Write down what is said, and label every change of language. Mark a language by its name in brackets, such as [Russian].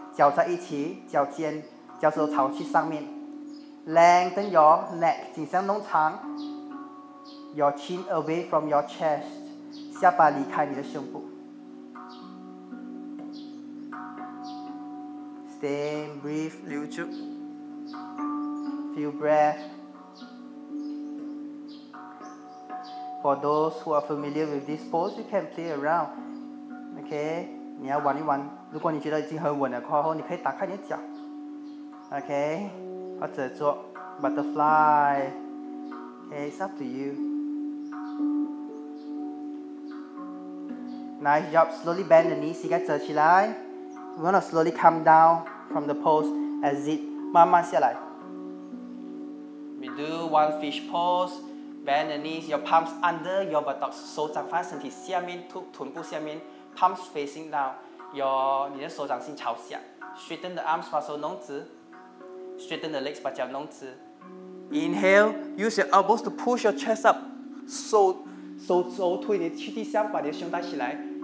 [Chinese] 脚在一起, 脚尖, 脚趾头朝去上面, [English] lengthen your neck, [Chinese] 颈项弄长, [English] your chin away from your chest, [Chinese] 下巴离开你的胸部, [English] stay, breathe, [Chinese] 留住, [English] few breath. For those who are familiar with this pose, you can play around, okay? [Chinese] 你要玩一玩, 如果你觉得已经很稳了过后，你可以打开你的脚, OK? 或者做 [English] butterfly, OK? It's up to you. Nice job. Slowly bend the knees, [Chinese] 膝盖折起来. [English] We're gonna slowly come down from the pose, exit, [Chinese] 慢慢下来. [English] We do one fish pose, bend the knees, your palms under your buttocks, [Chinese] 手掌放身体下面, 臀部下面, [English] palms facing down. [Chinese] Your 你的手掌心朝下, [English] straighten the arms, [Chinese] 把手弄直, [English] straighten the legs, [Chinese] 把脚弄直. [English] Inhale, use your elbows to push your chest up, [Chinese] 手推你去地上, 把你的胸带起来.